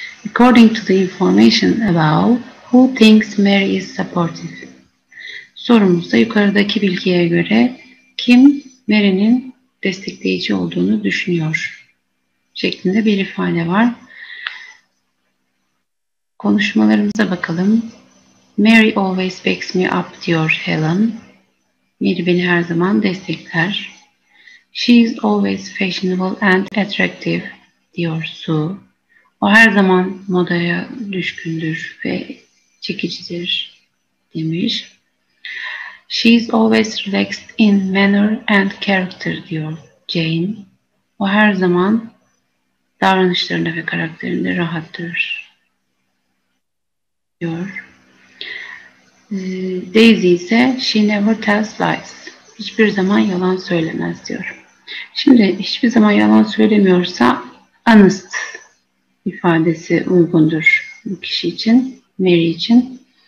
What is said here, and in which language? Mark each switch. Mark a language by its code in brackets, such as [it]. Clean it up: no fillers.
[en] According to the information above, who thinks Mary is supportive? [tr] Sorumuzda yukarıdaki bilgiye göre kim Mary'nin destekleyici olduğunu düşünüyor şeklinde bir ifade var. Konuşmalarımıza bakalım. [en] Mary always backs me up, [tr] diyor Helen. Mary beni her zaman destekler. [en] She is always fashionable and attractive, [tr] diyor [en] Sue. [tr] O her zaman modaya düşkündür ve çekicidir, demiş. [en] She is always relaxed in manner and character, [tr] diyor [en] Jane. [tr] O her zaman davranışlarında ve karakterinde rahattır, diyor. Daisy ise [en] she never tells lies. [tr] Hiçbir zaman yalan söylemez, diyor. Şimdi hiçbir zaman yalan söylemiyorsa honest ifadesi uygundur bu kişi için, Mary için.